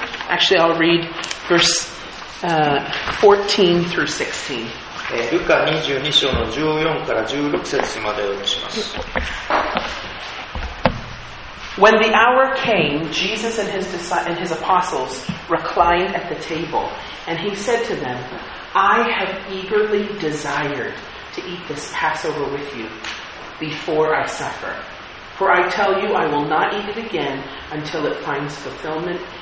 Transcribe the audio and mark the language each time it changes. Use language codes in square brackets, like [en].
[en] Actually, I'll read verse 14 through 16. [ja] ルカ22章の14から16節までお読みします。 [en] When the hour came, Jesus and his apostles reclined at the table, and he said to them, I have eagerly desired to eat this Passover with you before I suffer. For I tell you, I will not eat it again until it finds fulfillment.